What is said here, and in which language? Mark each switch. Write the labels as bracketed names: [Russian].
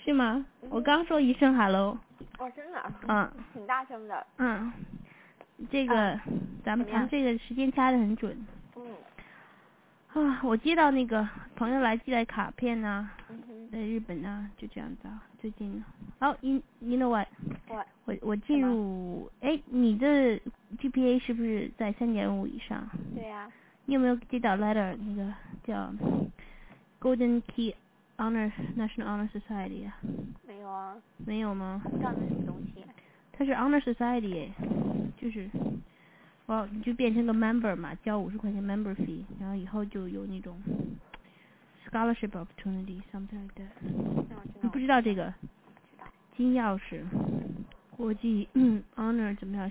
[Chinese] 是吗？我刚说一声 hello。哦，真的。嗯。挺大声的。嗯。这个，咱们谈这个时间掐得很准。啊，我接到那个朋友来寄来卡片呐、啊，在日本呐、啊，就这样子啊。最近，哦、 [English] you know what？ [Chinese] 我进入，哎，你的 GPA 是不是在 3.5 以上？对啊。你有没有接到 letter 那个叫 Golden Key Honor National Honor Society 啊？没有啊。没有吗？不知道那是什么东西、啊。它是 Honor Society， 就是。哦，你就变成个 member 嘛，交50块钱 [English] member fee， [Chinese] 然后以后就有那种 [English] scholarship opportunity something like that。 [Chinese] 你不知道这个？金钥匙，国际、honor 怎么样？